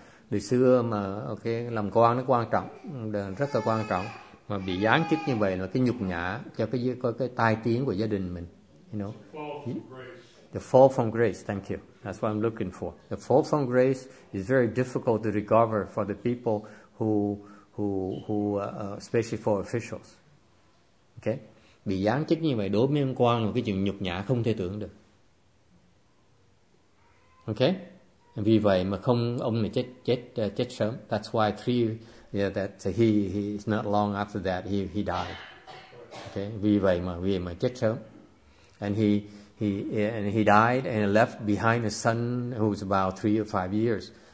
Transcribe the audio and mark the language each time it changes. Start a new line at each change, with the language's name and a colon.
Vietnamese: Từ xưa mà okay, làm quan nó quan trọng, rất là quan trọng, mà bị giáng chức như vậy là cái nhục nhã cho cái tai tiếng của gia đình mình, you know.
English: The fall from grace, thank you. That's what I'm looking for. The fall from grace is very difficult to recover for the people who especially for officials. Okay?
Vietnamese: Bị giáng chức như vậy đối với ông quan là cái chuyện nhục nhã không thể tưởng được. Okay? Vì vậy mà không ông này chết sớm.
English: That's why he is not long after that he died.
Vietnamese: Okay? Vì vậy mà chết sớm.
English: And he died and left behind a son who's about 3 or 5 years.